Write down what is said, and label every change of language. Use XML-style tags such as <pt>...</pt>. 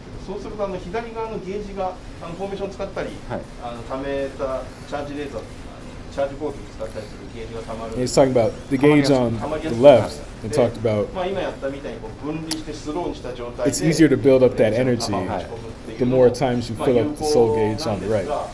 <ja>そうすると左側のゲージがフォーメーションを使ったり、はい、溜めたチャージレーザーチャージボールを使ったりするゲージが溜まる。</ja> <en>He's talking about the gauge on the left. He talked about.</en> <ja>まあ今やったみたいにこう分離してスローにした状態で。</ja> <en>It's easier to build up that energy the more times you fill up the soul gauge on the right.</en>